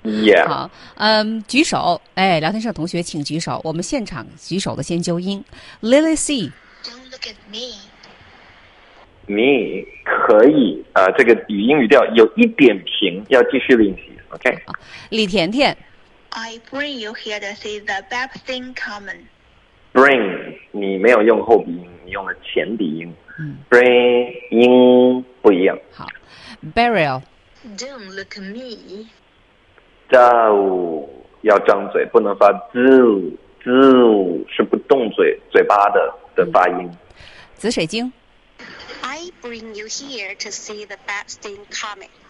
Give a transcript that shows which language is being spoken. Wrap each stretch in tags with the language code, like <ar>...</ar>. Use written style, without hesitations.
<zh>Yeah. 好，举手。哎，聊天室同学请举手。我们现场举手的先纠音。</zh> <en>Lily C. Don't look at me.</en> <zh>Me 可以啊、这个语音语调有一点平，要继续练习。 OK. 李甜甜。</zh> <en>I bring you here to see the Bepstein Comet.</en> <zh>Bring， 你没有用后鼻音，你用了前鼻音。 Bring 音不一样。好 ，Burial。</zh> <en>Don't look at me.</en> <zh>到要张嘴，不能发 zu zu， 是不动嘴嘴巴的发音。紫水晶。</zh> <en>I bring you here to see the Bepstein Comet.</en>